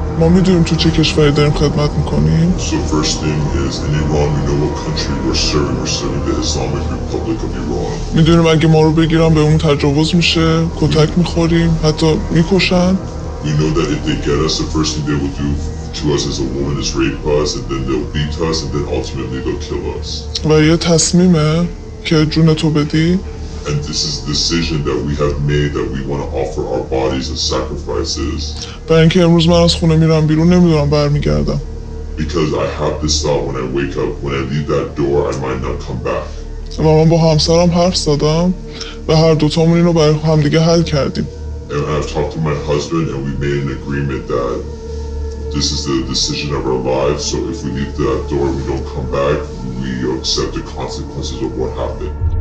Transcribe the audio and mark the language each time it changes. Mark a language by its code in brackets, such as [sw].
[fa] میدونیم تو چه کشوری داریم خدمت میکنیم. [en] So first thing is in Iran we know what country we're serving the Islamic Republic of Iran. [fa] میدونیم اگه ما رو بگیرن به اون تجاوز میشه، کتک میخوریم، حتی میکشن. [en] We know that if they get us, the first thing they will do to us as a woman is rape us, and then they'll beat us, and then ultimately they'll kill us. [fa] و یه تصمیمه که جون تو بدی. [en] And this is the decision that we have made that we want to offer our bodies as sacrifices. [fa] برای اینکه امروز من از خونه میرم بیرون نمیدونم برمیگردم. [en] Because I have this thought when I wake up, when I leave that door, I might not come back. [fa] و من با همسرم حرف زدم و هر دوتامون اینو برای همدیگه حل کردیم. [en] And I've talked to my husband and we made an agreement that this is the decision of our lives, so if we leave that door and we don't come back, we accept the consequences of what happened.